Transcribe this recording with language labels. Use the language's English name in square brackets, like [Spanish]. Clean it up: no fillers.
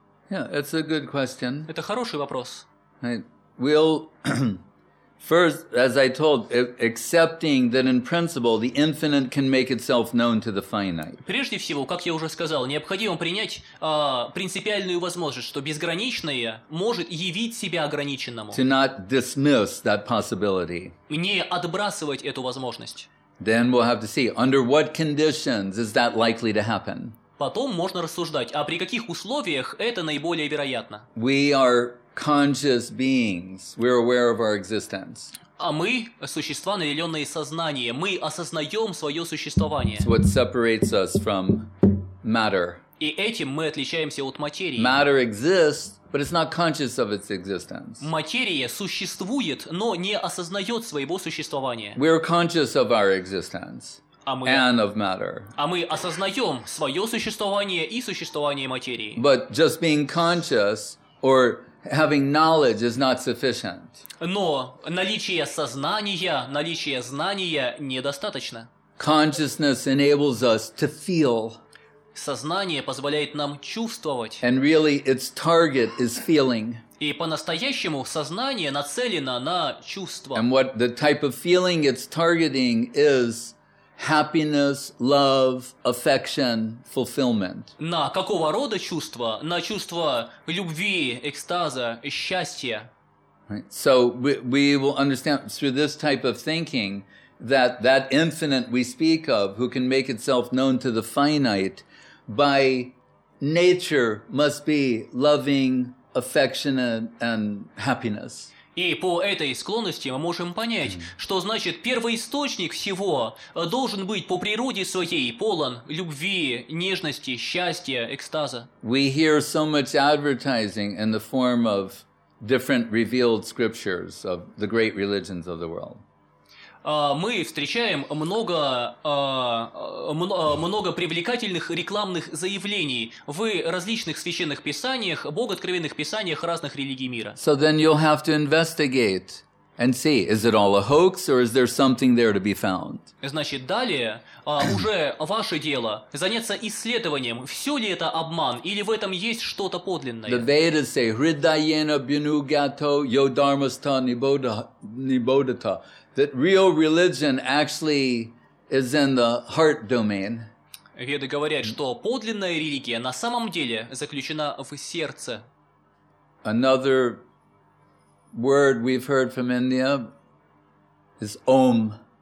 [English] Yeah, it's a good question. [Russian] Это хороший вопрос. [English] We'll first, as I told, accepting that in principle the infinite can make itself known to the finite. [Russian] Прежде всего, как я уже сказал, необходимо принять принципиальную возможность, что безграничное может явить себя ограниченному. [English] To not dismiss that possibility. [Russian] Не отбрасывать эту возможность. [English] Then we'll have to see under what conditions is that likely to happen. [Russian] Потом можно рассуждать, а при каких условиях это наиболее вероятно. [English] We are conscious beings. We're aware of our existence. [Russian] А мы существа, наделенные сознанием. Мы осознаем свое существование. [English] It's what separates us from matter. [Russian] И этим мы отличаемся от материи. [English] Matter exists, but it's not conscious of its existence. [Russian] Материя существует, но не осознает своего существования. [English] We are conscious of our existence. And of matter. [Russian] А мы осознаем свое существование и существование материи. [English] But just being conscious or having knowledge is not sufficient. [Russian] Но наличие сознания, наличие знания недостаточно. [English] Consciousness enables us to feel. [Russian] Сознание позволяет нам чувствовать. [English] And really its target is feeling. [Russian] И по-настоящему сознание нацелено на чувство. [English] And what the type of feeling it's targeting is happiness, love, affection, fulfillment. [Russian] На какого рода чувства? На чувства любви, экстаза, счастья. [English] Right. So we will understand through this type of thinking that that infinite we speak of, who can make itself known to the finite, by nature must be loving, affectionate, and happiness. [Russian] И по этой склонности мы можем понять, что значит первоисточник всего должен быть по природе своей полон любви, нежности, счастья, экстаза. [English] We hear so much advertising in the form of different revealed scriptures of the great religions of the world. [Russian] Мы встречаем много привлекательных рекламных заявлений в различных священных писаниях, богооткровенных писаниях разных религий мира. [English] So then you'll have to investigate and see, is it all a hoax or is there something there to be found? [Russian] Значит, далее уже ваше дело заняться исследованием, все ли это обман или в этом есть что-то подлинное. [English] The Vedas say, [Sanskrit] Hridayena Bhinugato Yo Dharmastha Nibodhata. [English] That real religion actually is in the heart domain. [Russian] Веды говорят, что подлинная религия на самом деле заключена в сердце. [English] Another word we've heard from India is Om.